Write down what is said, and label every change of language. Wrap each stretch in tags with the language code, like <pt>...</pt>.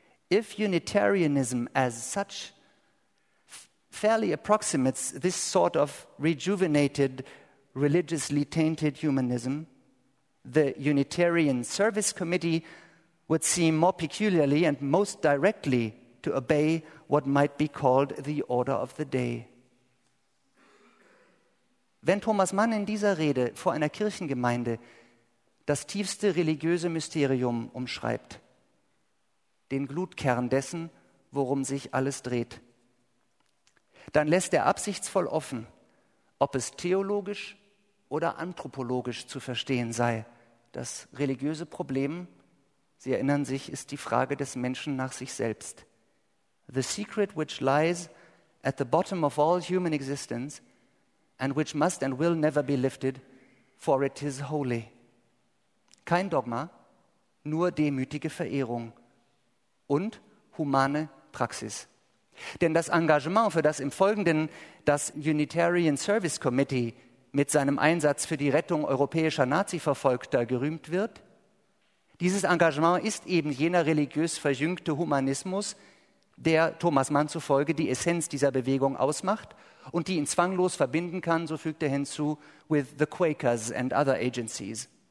<en>If Unitarianism as such fairly approximates this sort of rejuvenated, religiously tainted humanism, the Unitarian Service Committee would seem more peculiarly and most directly to obey what might be called the order of the day.</en> <de>Wenn Thomas Mann in dieser Rede vor einer Kirchengemeinde das tiefste religiöse Mysterium umschreibt. Den Glutkern dessen, worum sich alles dreht. Dann lässt er absichtsvoll offen, ob es theologisch oder anthropologisch zu verstehen sei. Das religiöse Problem, Sie erinnern sich, ist die Frage des Menschen nach sich selbst.</de> <en>The secret which lies at the bottom of all human existence and which must and will never be lifted, for it is holy.</en> <de>Kein Dogma, nur demütige Verehrung und humane Praxis. Denn das Engagement, für das im Folgenden das Unitarian Service Committee mit seinem Einsatz für die Rettung europäischer Nazi-Verfolgter gerühmt wird, dieses Engagement ist eben jener religiös verjüngte Humanismus, der Thomas Mann zufolge die Essenz dieser Bewegung ausmacht und die ihn zwanglos verbinden kann, so fügt er hinzu,</de> <en>with the Quakers and other agencies.</en>